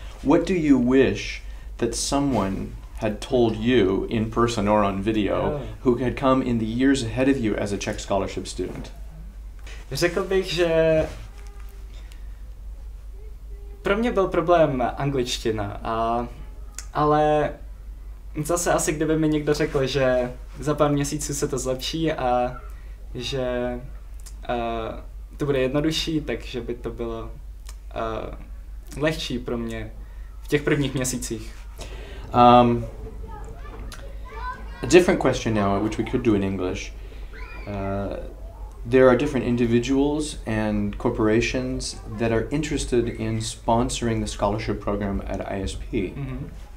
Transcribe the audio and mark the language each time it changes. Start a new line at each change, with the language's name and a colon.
English: What do you wish that someone had told you in person or on video who had come in the years ahead of you as a Czech scholarship student?
Czech: Řekl bych, že pro mě byl problém angličtina a Ale zase asi kdyby mi někdo řekl, že za pár měsíců se to zlepší a že to bude jednodušší, takže by to bylo lehčí pro mě v těch prvních měsících.
English: A different question now, which we could do in English. There are different individuals and corporations that are interested in sponsoring the scholarship program at ISP. Mm-hmm.